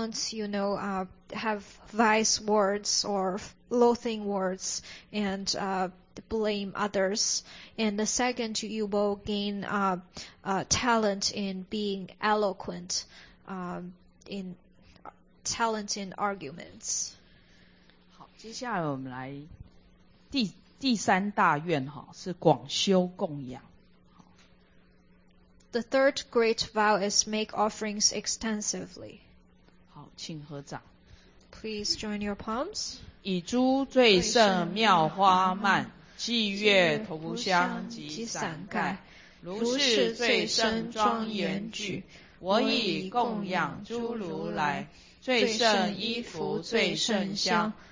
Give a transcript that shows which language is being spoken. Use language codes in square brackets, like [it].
[en] First is you won't have vice words or loathing words and blame others. And the second, you will gain talent in being eloquent, talent in arguments. [zh] 好，接下来我们来第三大愿是广修供养。 [en] The third great vow is make offerings extensively. [zh] 好，请合掌。 [en] Please join your palms. [zh] 以诸最胜妙花曼，祭月涂香及伞盖，如是最胜庄严具。我以供养诸如来，最胜衣服，最胜香。